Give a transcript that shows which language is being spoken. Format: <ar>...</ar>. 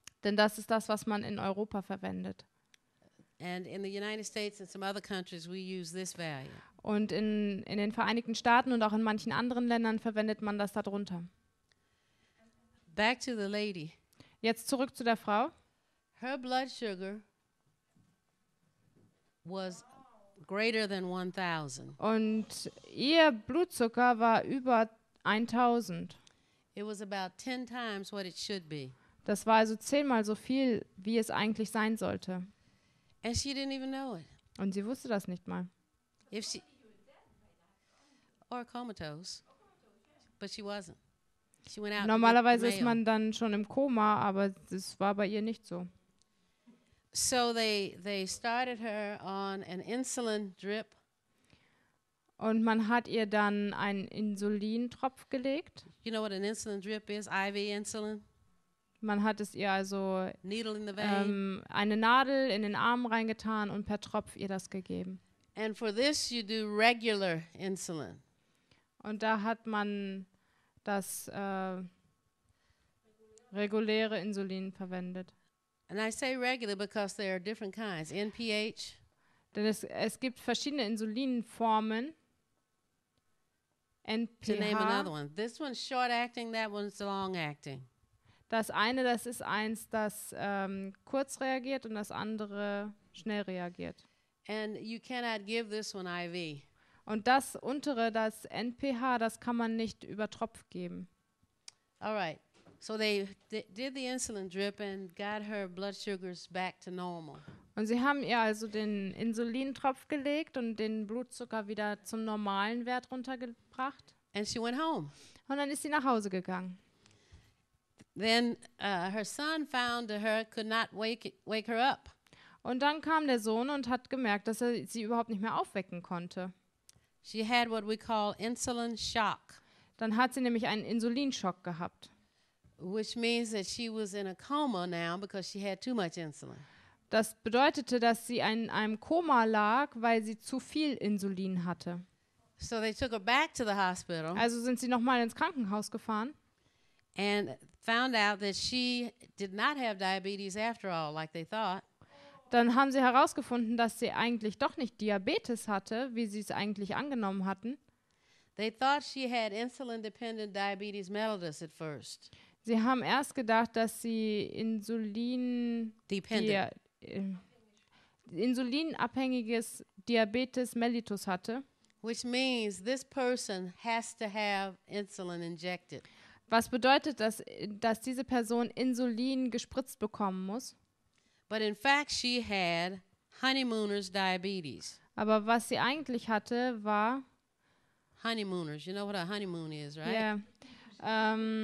<de>Denn das ist das, was man in Europa verwendet.</de> <en>And in the United States and some other countries we use this value.</en> <de>Und in den Vereinigten Staaten und auch in manchen anderen Ländern verwendet man das darunter.</de> <en>Back to the lady.</en> <de>Jetzt zurück zu der Frau.</de> <en>Her blood sugar was greater than 1000.</en> <de>Und ihr Blutzucker war über 1000.</de> <en>It was about 10 times what it should be.</en> <de>Das war also 10-mal so viel, wie es eigentlich sein sollte.</de> <en>And she didn't even know it.</en> <de>Und sie wusste das nicht mal.</de> <en>If she or comatose, but she wasn't. She went out.</en> <de>Normalerweise ist man dann schon im Koma, aber das war bei ihr nicht so.</de> <en>So they started her on an insulin drip.</en> <de>Und man hat ihr dann einen Insulintropf gelegt.</de> <en>You know what an insulin drip is? IV insulin.</en> <de>Man hat es ihr also</de> <en>needle in the vein.</en> <de>Eine Nadel in den Arm reingetan und per Tropf ihr das gegeben.</de> <en>And for this you do regular insulin.</en> <de>Und da hat man das reguläre Insulin verwendet.</de> <en>And I say regular because there are different kinds. NPH.</en> <de>Denn es gibt verschiedene Insulinformen. NPH.</de> <en>To name another one. This one's short acting, that one's long acting.</en> <de>Das eine, das ist eins, das kurz reagiert und das andere schnell reagiert.</de> <en>And you cannot give this one IV.</en> <de>Und das untere, das NPH, das kann man nicht über Tropf geben.</de> <en>All right. So they did the insulin drip and got her blood sugars back to normal.</en> <de>Und sie haben ihr also den Insulintropf gelegt und den Blutzucker wieder zum normalen Wert runtergebracht.</de> <en>And she went home.</en> <de>Und dann ist sie nach Hause gegangen.</de> <en>Then her son found her could not wake her up.</en> <de>Und dann kam der Sohn und hat gemerkt, dass er sie überhaupt nicht mehr aufwecken konnte.</de> <en>She had what we call insulin shock.</en> <de>Dann hat sie nämlich einen Insulinschock gehabt.</de> <en>Which means that she was in a coma now because she had too much insulin.</en> <de>Das bedeutete, dass sie in einem Koma lag, weil sie zu viel Insulin hatte.</de> <en>So they took her back to the hospital.</en> <de>Also sind sie nochmal ins Krankenhaus gefahren.</de> <en>And found out that she did not have diabetes after all, like they thought.</en> <de>Dann haben sie herausgefunden, dass sie eigentlich doch nicht Diabetes hatte, wie sie es eigentlich angenommen hatten.</de> <en>They thought she had insulin-dependent diabetes mellitus at first.</en> <de>Sie haben erst gedacht, dass sie insulinabhängiges Diabetes mellitus hatte.</de> <en>Which means this person has to have insulin injected.</en> <de>Was bedeutet das, dass diese Person Insulin gespritzt bekommen muss?</de> <en>But in fact she had honeymooner's diabetes.</en> <de>Aber was sie eigentlich hatte, war</de> <en>honeymooner's. You know what a honeymoon is, right? Yeah.</en>